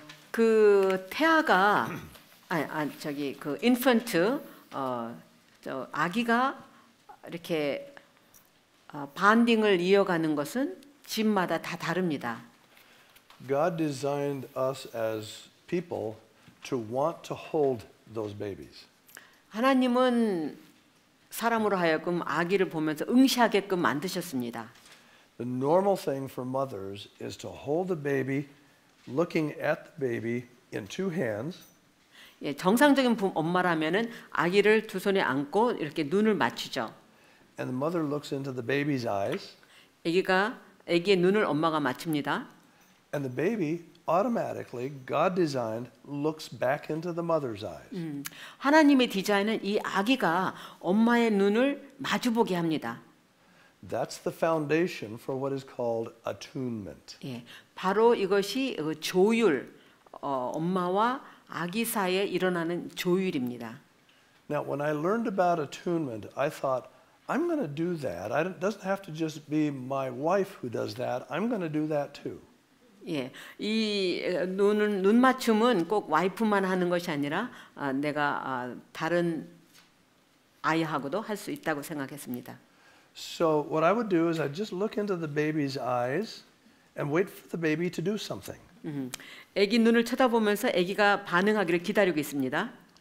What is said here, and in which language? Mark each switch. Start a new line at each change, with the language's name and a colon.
Korean: 그 태아가 저기 그 infant 저 아기가 이렇게 반딩을 이어가는 것은 집마다 다 다릅니다.
English: God designed us as people to want to hold those babies.
Korean: 하나님은 사람으로 하여금 아기를 보면서 응시하게끔 만드셨습니다.
English: The normal thing for mothers is to hold the baby, looking at the baby in two hands.
Korean: 예, 정상적인 엄마라면은 아기를 두 손에 안고 이렇게 눈을 맞추죠.
English: And the mother looks into the baby's eyes.
Korean: 아기의 눈을 엄마가 맞춥니다.
English: And the baby automatically, God designed, looks back into the mother's eyes.
Korean: 하나님의 디자인은 이 아기가 엄마의 눈을 마주보게 합니다.
English: That's the foundation for what is called attunement.
Korean: 예, 바로 이것이 조율, 엄마와 아기 사이에 일어나는 조율입니다.
English: Now, when I learned about attunement, I thought, I'm going to do that. It doesn't have to just be my wife who does that. I'm going to do that too.
Korean: 예, 이 눈 맞춤은 꼭 와이프만 하는 것이 아니라 내가 다른 아이하고도 할 수 있다고 생각했습니다.
English: So what I would do is I'd just look into the baby's eyes and wait for the baby to do something.
Korean: 아기 눈을 쳐다보면서 아기가 반응하기를 기다리고 있습니다.